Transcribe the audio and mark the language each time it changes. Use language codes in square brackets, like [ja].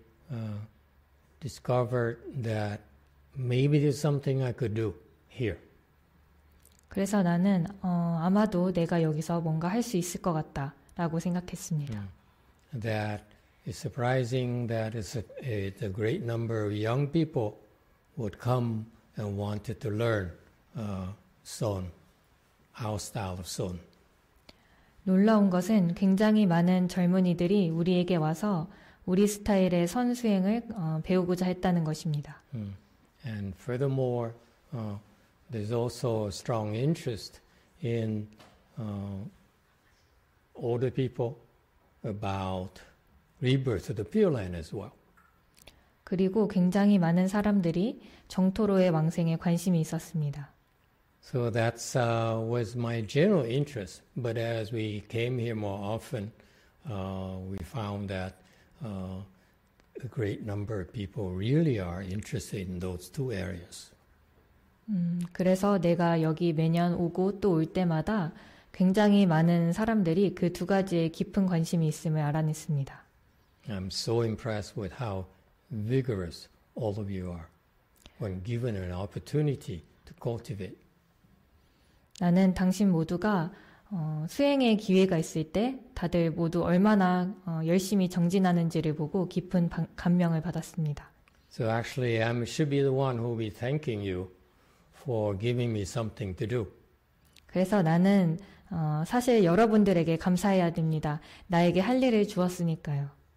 [en] That I discovered that maybe there's something I could do here. [ko] 그래서 나는 아마도 내가 여기서 뭔가 할 수 있을 것 같다라고 생각했습니다. [en] That it's surprising that it's a great number of young people would come and wanted to learn Seon, our style of Seon. [ko] 놀라운 것은 굉장히 많은 젊은이들이 우리에게 와서 우리 스타일의 선 수행을 배우고자 했다는 것입니다. [en] And furthermore, there's also a strong interest in older people about rebirth of the Pure Land as well. [ko] 그리고 굉장히 많은 사람들이 정토로의 왕생에 관심이 있었습니다. [en] So that was my general interest. But as we came here more often, we found that a great number of people really are interested in those two areas. [ko] 그래서 내가 여기 매년 오고 또 올 때마다 굉장히 많은 사람들이 그 두 가지에 깊은 관심이 있음을 알아냈습니다. [en] I'm so impressed with how vigorous all of you are when given an opportunity to cultivate. [ko] 나는 당신 모두가 수행의 기회가 있을 때 다들 모두 얼마나 열심히 정진하는지를 보고 깊은 감명을 받았습니다. [en] So actually, I should be the one who will be thanking you for giving me something to do. [ko] 그래서 나는 사실 여러분들에게 감사해야 됩니다. 나에게 할 일을 주었으니까요.